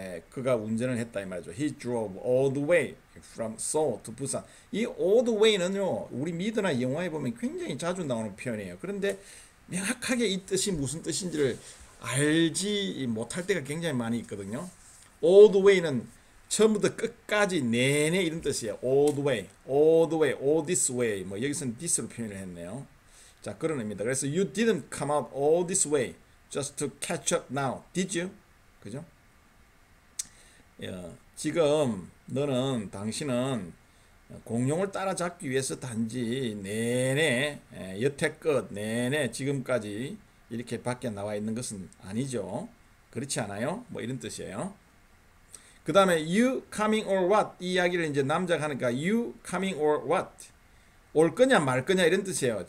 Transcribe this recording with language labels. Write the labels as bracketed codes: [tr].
[ko] 그가 운전을 했다 이 말이죠. [en] He drove all the way from Seoul to Busan. [ko] 이 all the way는요, 우리 미드나 영화에 보면 굉장히 자주 나오는 표현이에요. 그런데 명확하게 이 뜻이 무슨 뜻인지를 알지 못할 때가 굉장히 많이 있거든요. [en] All the way [ko] 는 처음부터 끝까지 내내 이런 뜻이에요. [en] All the way, all the way, all this way. [ko] 뭐 여기서는 this로 표현을 했네요. 자, 그런 의미입니다. 그래서 [en] you didn't come out all this way just to catch up now, did you? [ko] 그죠? 예, 지금 너는 당신은 공룡을 따라잡기 위해서 단지 내내 여태껏 내내 지금까지 이렇게 밖에 나와 있는 것은 아니죠. 그렇지 않아요? 뭐 이런 뜻이에요. 그 다음에 [en] you coming or what [ko] 이 이야기를 이제 남자가 하니까 you coming or what 올 거냐 말 거냐 이런 뜻이에요.